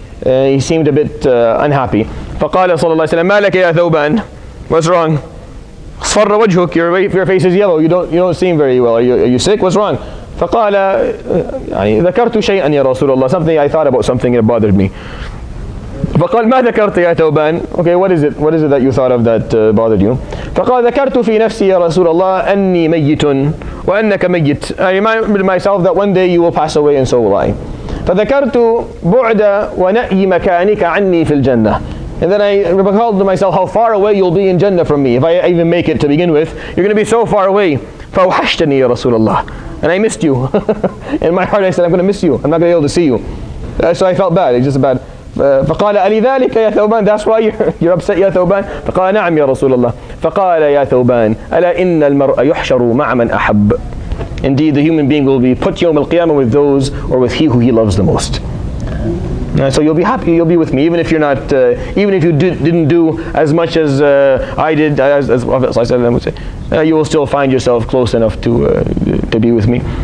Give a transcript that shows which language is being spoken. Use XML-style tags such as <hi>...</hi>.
<en>He seemed a bit unhappy.</en> <ar>فَقَالَ صَلَّى اللَّهُ عَلَيْهِ وَسَلَّمَ مَا لَكَ يَا ثَوْبَانَ.</ar> <en>What's wrong?</en> <ar>صَفَرَّ وَجْهُكَ.</ar> <en>Your face is yellow. You don't seem very well. Are you sick? What's wrong?</en> <ar>فَقَالَ ذَكَرْتُ شَيْئًا يَا رَسُولَ اللَّهِ.</ar> <en>Something, I thought about something and it bothered me.</en> <ar>فقال ما ذكرت يا ثوبان.</ar> <en>Okay, what is it that you thought of that bothered you?</en> <ar>فقال ذكرت في نفسي يا رسول الله أني ميت وأنك ميت.</ar> <en>I reminded myself that one day you will pass away and so will I.</en> <ar>فذكرت بعد ونأي مكانك عني في الجنة.</ar> <en>And then I recalled to myself how far away you'll be in Jannah from me. If I even make it to begin with, you're going to be so far away.</en> <ar>فوحشتني يا رسول الله.</ar> <en>And I missed you. In my heart I said, I'm going to miss you. I'm not going to be able to see you. So I felt bad. It's just bad.</en> <ar>فقال ألذلك يا ثوبان.</ar> <en>That's why you're upset</en> <ar>يا ثوبان. فقال نعم يا رسول الله. فقال يا ثوبان ألا إن المرء يحشر مع من أحب.</ar> <en>Indeed, the human being will be put</en> <ar>يوم القيامة</ar> <en>with those or with he who he loves the most. So you'll be happy, you'll be with me, even if you're not, even if you didn't do as much as I did, as Prophet ﷺ would say, you will still find yourself close enough to be with me.</en>